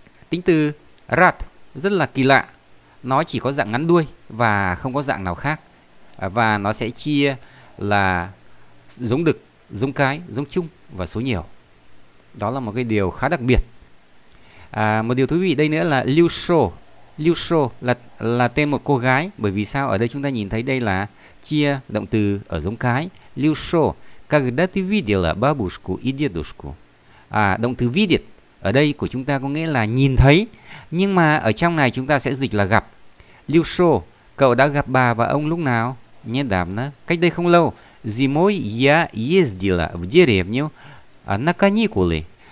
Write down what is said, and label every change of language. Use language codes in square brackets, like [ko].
[vi] Tính từ рад rất là kỳ lạ, nó chỉ có dạng ngắn đuôi và không có dạng nào khác, và nó sẽ chia là giống đực, giống cái, giống chung và số nhiều. Đó là một cái điều khá đặc biệt. Một điều thú vị đây nữa là люшо. Люшо là tên một cô gái. Bởi vì sao? Ở đây chúng ta nhìn thấy đây là chia động từ ở giống cái. [ru] Люшо. Когда ты видела бабушку и дедушку? [vi] Động từ видеть ở đây của chúng ta có nghĩa là nhìn thấy. Nhưng mà ở trong này chúng ta sẽ dịch là gặp. [ru] Люшо. [vi] Cậu đã gặp bà và ông lúc nào? [ru] Недавно. [vi] Cách đây không lâu. [ru] Зимой я ездила в деревню на каникулы.